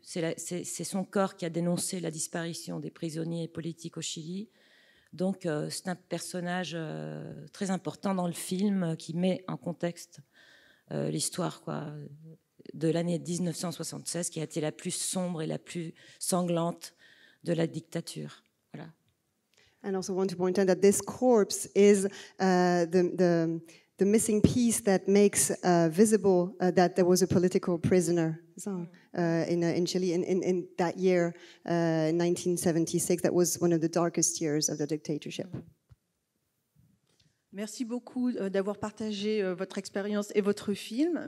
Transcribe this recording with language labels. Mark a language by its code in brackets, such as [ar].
[fr] C'est son corps qui a dénoncé la disparition des prisonniers politiques au Chili. Donc, c'est un personnage très important dans le film qui met en contexte l'histoire quoi, de l'année 1976, qui a été la plus sombre et la plus sanglante de la dictature. Voilà. [en] And also want to point out that this corpse is the missing piece that makes visible that there was a political prisoner. So, in Chile in that year, 1976, that was one of the darkest years of the dictatorship. [fr] Merci beaucoup d'avoir partagé votre expérience et votre film.